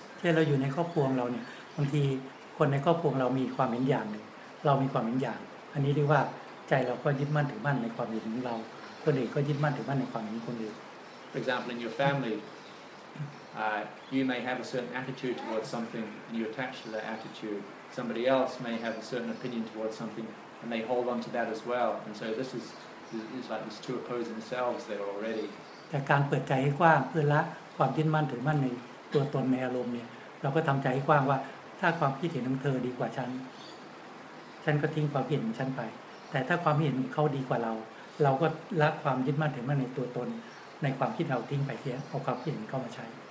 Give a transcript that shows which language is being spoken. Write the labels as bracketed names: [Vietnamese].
[Thai] ถ้าเราอยู่ในครอบครัวเราเนี่ยบางทีคนในครอบครัวเรามีความเห็นอย่างหนึ่งเรามีความเห็นอย่างอันนี้เรียกว่าใจเราก็ยึดมั่นถือมั่นในความเห็นของเราคนอื่นก็ยึดมั่นถือมั่นในความเห็นของคนอื่น [English] For example, in your family, you may have a certain attitude towards something and you attach to that attitude. Somebody else may have a certain opinion towards something and they hold on to that as well. And so this is. It's like these two opposing selves there already. [Thai] แต่การเปิดใจให้กว้างเพื่อละความยึดมั่นถือมั่นในตัวตนในอารมณ์เนี่ยเราก็ทำใจให้กว้างว่าถ้าความคิดเห็นของเธอดีกว่าฉันก็ทิ้งความคิดเห็นของฉันไปแต่ถ้าความคิดเห็นของเขาดีกว่าเราก็ละความยึดมั่นถือมั่นในตัวตนในความคิดเราทิ้งไปเสียเอาความคิดเห็นเข้ามาใช้